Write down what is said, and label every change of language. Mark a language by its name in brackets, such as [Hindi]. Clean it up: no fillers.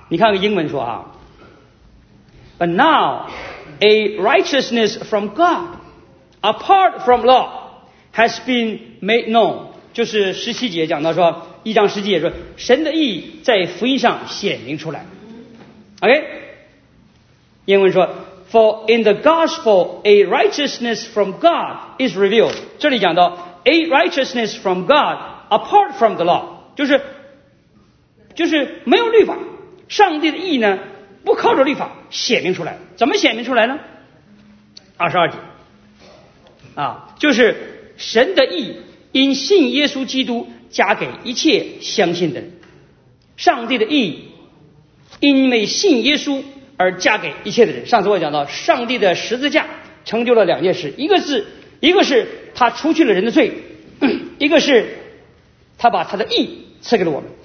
[Chinese] 你看个英文说啊， [English] But now a righteousness from God apart from law has been made known， [Chinese] 就是十七节讲到说，一章十七节说神的义在福音上显明出来。 OK， 英文说 [English] For in the gospel a righteousness from God is revealed， [Chinese] 这里讲到 [English] A righteousness from God apart from the law， [Chinese] 就是没有律法，上帝的义呢不靠着律法显明出来，怎么显明出来呢？二十二节啊，就是神的义因信耶稣基督加给一切相信的人，上帝的义因为信耶稣而加给一切的人。上次我讲到上帝的十字架成就了两件事，一个是他除去了人的罪，一个是他把他的义赐给了我们。